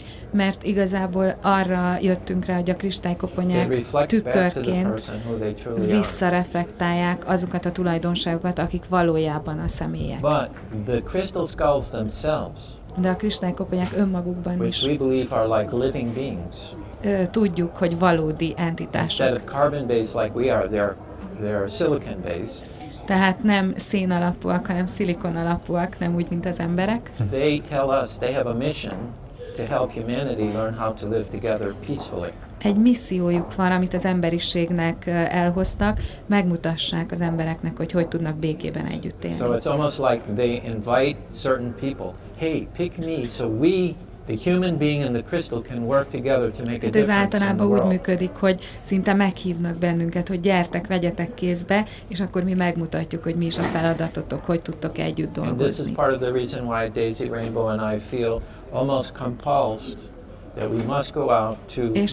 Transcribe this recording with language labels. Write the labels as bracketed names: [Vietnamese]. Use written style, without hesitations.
[Hungarian] Mert igazából arra jöttünk rá, hogy a kristálykoponyák tükörként visszareflektálják azokat a tulajdonságokat, akik valójában a személyek. [English] But the crystal skulls themselves, [Hungarian] de a kristálykoponyák önmagukban [English] which is, we believe are like living beings, [Hungarian] tudjuk, hogy valódi entitások. [English] Instead of carbon-based like we are, they're silicon-based. [Hungarian] Tehát nem szén alapúak, hanem szilikon alapúak, nem úgy, mint az emberek. [English] They tell us they have a mission to help humanity learn how to live together peacefully. [Hungarian] Egy missziójuk van, amit az emberiségnek elhoztak, megmutassák az embereknek, hogy hogy tudnak békében együtt élni. [English] So it's almost like they invite certain people. Hey, pick me so we, the human being and the crystal can work together to make a difference. [Hungarian] Ez általában úgy működik, hogy szinte meghívnak bennünket, hogy gyertek, vegyetek kézbe, és akkor mi megmutatjuk, hogy mi is a feladatotok, hogy tudtok együtt dolgozni. [English] And this is part of the reason why Daisy Rainbow and I feel almost compulsed that we must go out to